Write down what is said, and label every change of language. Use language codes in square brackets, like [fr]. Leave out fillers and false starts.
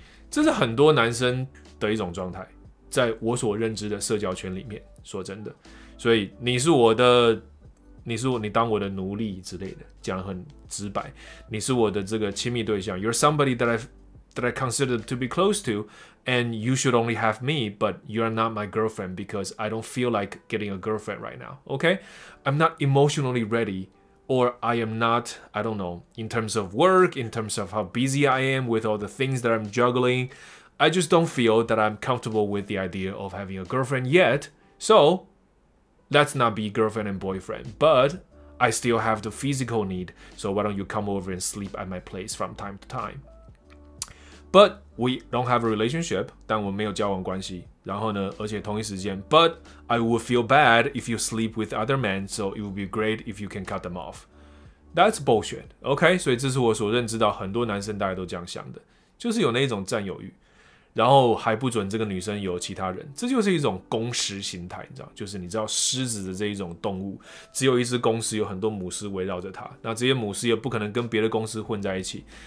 [zh] 这是很多男生的一种状态，在我所认知的社交圈里面，说真的。所以你是我的。你当我的奴隶之类的，讲很直白。你是我的这个亲密对象 [en] ，You're somebody that I consider to be close to， and you should only have me， but you're not my girlfriend because I don't feel like getting a girlfriend right now。 Okay， I'm not emotionally ready， or I am not， I don't know， in terms of work， in terms of how busy I am with all the things that I'm juggling， I just don't feel that I'm comfortable with the idea of having a girlfriend yet。 So。 Let's not be girlfriend and boyfriend, but I still have the physical need, so why don't you come over and sleep at my place from time to time? But we don't have a relationship, [zh] 但我没有交往关系，然后呢，而且同一时间 [en] But I would feel bad if you sleep with other men, so it would be great if you can cut them off. That's bullshit, okay? [zh] 所以这是我所认知到很多男生大家都这样想的，就是有那种占有欲，然后还不准这个女生有其他人，这就是一种公狮心态，你知道，就是你知道狮子的这一种动物，只有一只公狮，有很多母狮围绕着它，那这些母狮也不可能跟别的公狮混在一起。